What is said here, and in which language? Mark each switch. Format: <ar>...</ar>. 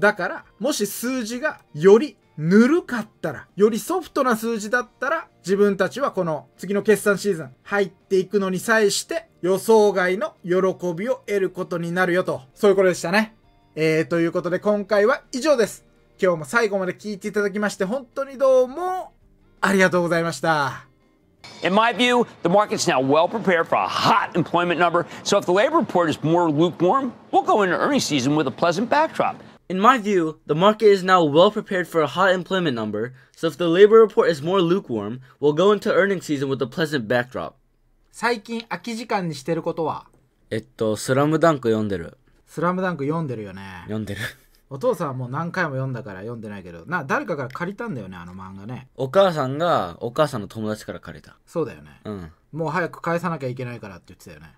<ja>だから、もし数字がよりぬるかったら、よりソフトな数字だったら、自分たちはこの次の決算シーズン入っていくのに際して、予想外の喜びを得ることになるよと。そういうことでしたね。ということで今回は以上です。今日も最後まで聞いていただきまして、本当にどうも、ありがとうございました。</ja> <en>In my view, the market's now well prepared for a hot employment number. So if the labor report is more lukewarm, we'll go into earnings season with a pleasant backdrop. In my view, the market is now well prepared for a hot employment number, so if the labor report is more lukewarm, we'll go into earnings season with a pleasant backdrop.</en> <ja>最近空き時間にしてることは？スラムダンク読んでる。スラムダンク読んでるよね。読んでる。お父さんはもう何回も読んだから読んでないけど、誰かから借りたんだよね、あの漫画ね。お母さんが、お母さんの友達から借りた。そうだよね。うん。もう早く返さなきゃいけないからって言ってたよね。</ja>